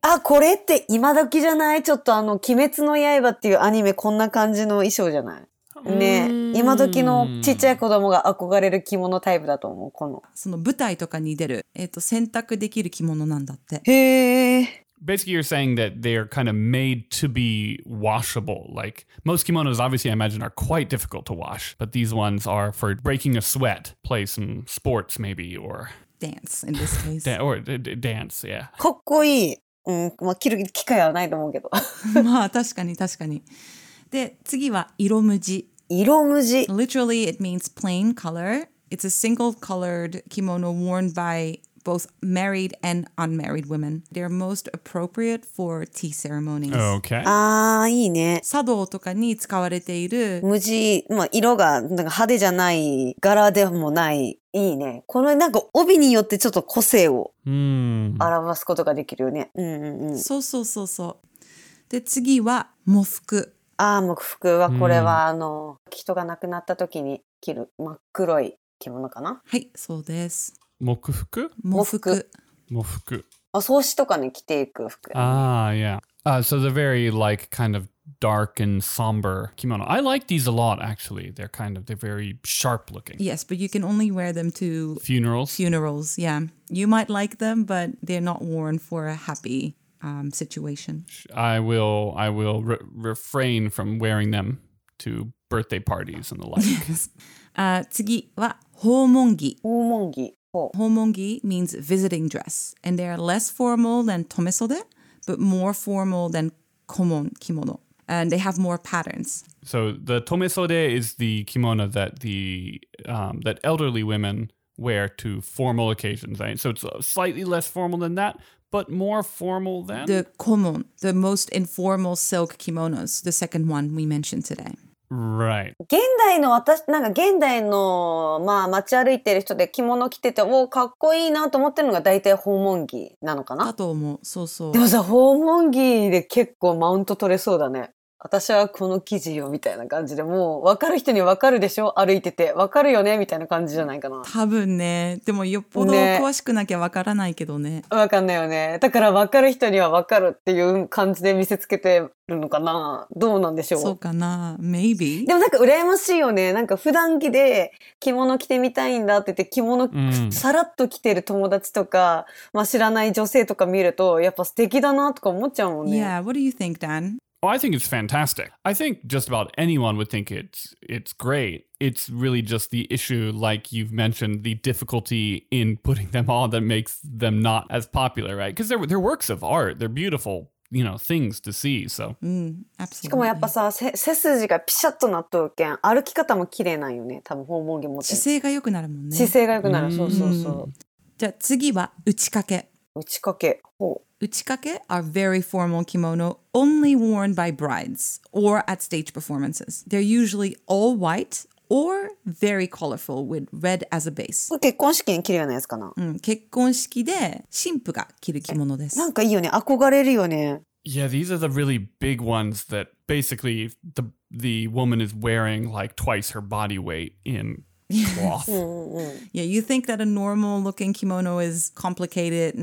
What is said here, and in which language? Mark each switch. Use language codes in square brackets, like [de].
[ja] あ、これって今時じゃない？ちょっとあの、鬼滅の刃っていうアニメこんな感じの衣装じゃない？ね、今時のちっちゃい子供が憧れる着物タイプだと思う。このその舞台とかに出る、洗濯できる着物なんだって。へえ。 [en] Basically, you're saying that they are kind of made to be washable. Like, most kimonos, obviously, I imagine, are quite difficult to wash. But these ones are for breaking a sweat, play some sports, maybe, or... Dance, in this case. dance, yeah. [ja] かっこいい。うん、まあ、着る機会はないと思うけど。まあ、確かに、確かに。で、次は色無地。色無地。 [en] Literally, it means plain color. It's a single-colored kimono worn by both married and unmarried women. They're most appropriate for tea ceremonies. Okay. [ja] Ah, いいね。茶道とかに使われている。無地、まあ、色がなんか派手じゃない、柄でもない。いいね。このなんか帯によってちょっと個性を表すことができるよね。そうそうそうそう。で、次は、喪服。ああ、喪服はこれは、あの、人が亡くなった時に着る真っ黒い着物かな。はい、そうです。喪服？喪服。喪服。あ、葬式とかに着ていく服。 [en] ああ、yeah. So they're very like kind of dark and somber kimono. I like these a lot, actually. They're kind of, they're very sharp looking. Yes, but you can only wear them to funerals. Funerals, yeah. You might like them, but they're not worn for a happy situation. I will refrain from wearing them to birthday parties and the like. Yes. [ja] 次は訪問着。訪問着。 [en] Hōmongi means visiting dress, and they are less formal than tomisode, but more formal than komon kimono, and they have more patterns. So the tomisode is the kimono that the that elderly women wear to formal occasions, right? So it's slightly less formal than that, but more formal than? The komon, the most informal silk kimonos, the second one we mentioned today. Right. [ja] 現代の私、なんか現代の、まあ、街歩いてる人で着物着てて、おー、かっこいいなと思ってるのが大体訪問着なのかな？だと思う。そうそう。でもさ、訪問着で結構マウント取れそうだね。私はこの生地よみたいな感じで、もう分かる人に分かるでしょ、歩いてて分かるよねみたいな感じじゃないかな。多分ね。でもよっぽど詳しくなきゃ分からないけどね。分かんないよね。だから分かる人には分かるっていう感じで見せつけてるのかな。どうなんでしょう。そうかな。 [en] Maybe。 [ja] でもなんか羨ましいよね。なんか普段着で着物着てみたいんだって言って着物さらっと着てる友達とか、まあ、知らない女性とか見るとやっぱ素敵だなとか思っちゃうもんね。 [en] Yeah, what do you think, Dan? Oh, I think it's fantastic. I think just about anyone would think it's great. It's really just the issue, like you've mentioned, the difficulty in putting them on that makes them not as popular, right? Because they're works of art. They're beautiful, you know, things to see, so. Absolutely. [ja] しかもやっぱさ、背筋がピシャッとなっとるけん、歩き方も綺麗なんよね。多分訪問着も。姿勢が良くなるもんね。姿勢が良くなる、そうそうそう。じゃあ次は打ち掛け。打ち掛け。ほう。 [en] Uchikake are very formal kimono only worn by brides or at stage performances. They're usually all white or very colorful with red as a base. [ja] これ結婚式に着るようなやつかな？うん、結婚式で新婦が着る着物です。なんかいいよね。憧れるよね。 [en] Yeah, these are the really big ones that basically the woman is wearing like twice her body weight in cloth. Yeah, you think that a normal looking kimono is complicated.